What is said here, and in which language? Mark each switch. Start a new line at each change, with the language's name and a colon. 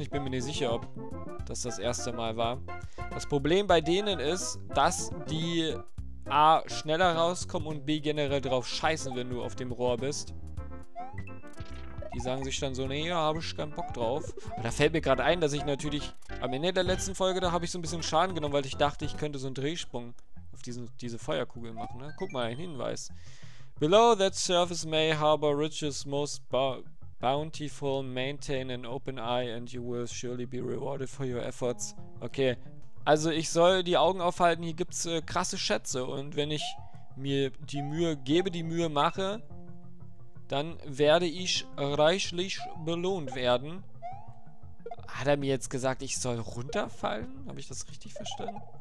German: Ich bin mir nicht sicher, ob das erste Mal war. Das Problem bei denen ist, dass die A schneller rauskommen und B generell drauf scheißen, wenn du auf dem Rohr bist. Die sagen sich dann so, nee, habe ich keinen Bock drauf. Aber da fällt mir gerade ein, dass ich natürlich am Ende der letzten Folge, da habe ich so ein bisschen Schaden genommen, weil ich dachte, ich könnte so einen Drehsprung auf diese Feuerkugel machen. Ne? Guck mal, ein Hinweis.
English: Below that surface may harbor riches most bountiful, maintain an open eye and you will surely be rewarded for your efforts.
German: Okay, also ich soll die Augen aufhalten, hier gibt's krasse Schätze, und wenn ich mir die Mühe gebe, die Mühe mache, dann werde ich reichlich belohnt werden. Hat er mir jetzt gesagt, ich soll runterfallen? Habe ich das richtig verstanden?